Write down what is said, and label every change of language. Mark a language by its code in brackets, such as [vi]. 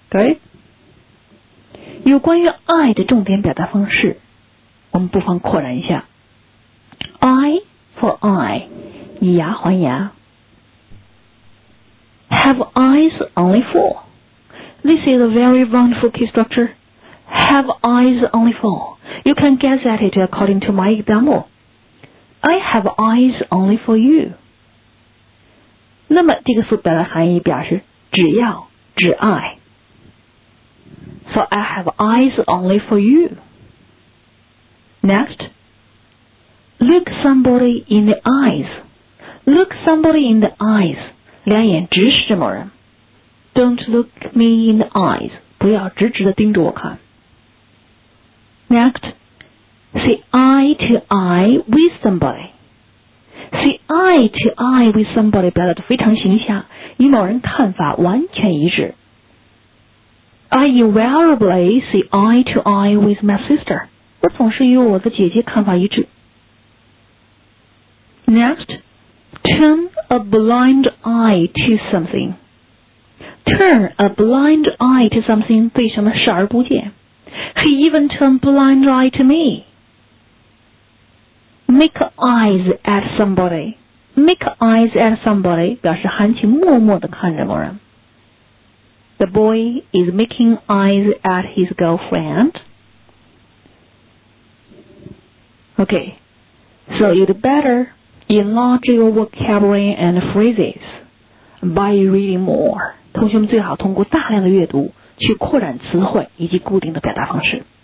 [en] Okay? [zh] 有关于 I 的重点表达方式，我们不妨扩展一下。 [en] I for I, [zh] 以牙还牙。 [en] Have eyes only for. This is a very wonderful key structure. Have eyes only for. You can guess at it according to my example. I have eyes only for you. [zh] 那么这个词表达含义表示只要、只爱。 [en] So I have eyes only for you. Next, look somebody in the eyes. Look somebody in the eyes. [zh] 两眼直视某人。 [en] Don't look me in the eyes. [zh] 不要直直地盯着我看。 [en] Next, see eye to eye with somebody. See eye to eye with somebody [zh] 表达得非常形象，与某人看法完全一致。 [en] I invariably see eye to eye with my sister. [zh] 我总是与我的姐姐看法一致。 [en] Next, turn a blind eye to something. Turn a blind eye to something [zh] 对什么视而不见。 [en] He even turned blind eye to me. Make eyes at somebody. Make eyes at somebody [zh] 表示含情脉脉地看着某人。 [en] The boy is making eyes at his girlfriend. Okay, so you'd better enlarge your vocabulary and phrases. by reading more. [zh] 同学们最好通过大量的阅读去扩展词汇以及固定的表达方式。